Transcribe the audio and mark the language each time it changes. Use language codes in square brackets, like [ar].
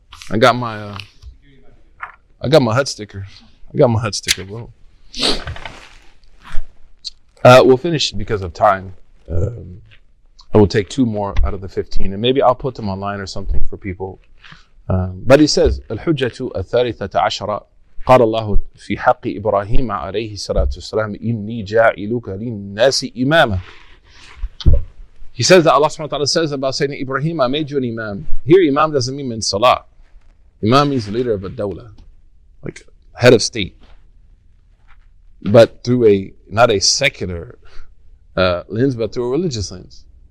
[en] I got my HUD sticker. I got my HUD sticker, bro. We'll finish because of time. I will take two more out of the 15, and maybe I'll put them online or something for people. But he says, [ar] "Al-hujjatu al-thalithata ashara." قال الله في حق إبراهيم عليه الصلاة والسلام إني جاعلك للناس إماما. [en] He says that Allah subhanahu wa ta'ala says about Sayyidina Ibrahim, I made you an imam. Here, imam doesn't mean min salah. Imam means leader of a dawla, like head of state. But through a, not a secular lens, but through a religious lens.